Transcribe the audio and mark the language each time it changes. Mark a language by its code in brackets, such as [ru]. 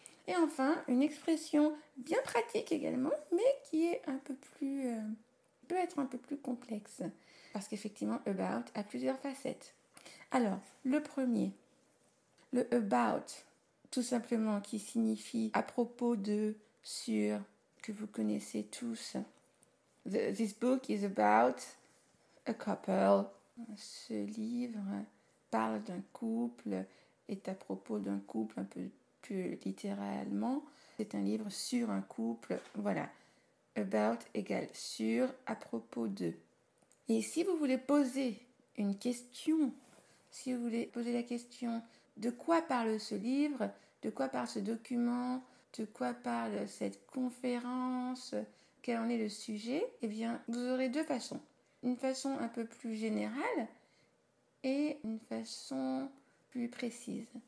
[fr] Et enfin, une expression bien pratique également, mais qui est un peu plus, peut être un peu plus complexe. Parce qu'effectivement, about a plusieurs facettes. Alors, le premier, le about, tout simplement, qui signifie à propos de, sur, que vous connaissez tous. [en] This book is about a couple. [fr] Ce livre parle d'un couple, est à propos d'un couple un peu littéralement, c'est un livre sur un couple, voilà, about égale sur, à propos de. Et si vous voulez poser une question, si vous voulez poser la question de quoi parle ce livre, de quoi parle ce document, de quoi parle cette conférence, quel en est le sujet, eh bien vous aurez deux façons, une façon un peu plus générale et une façon plus précise.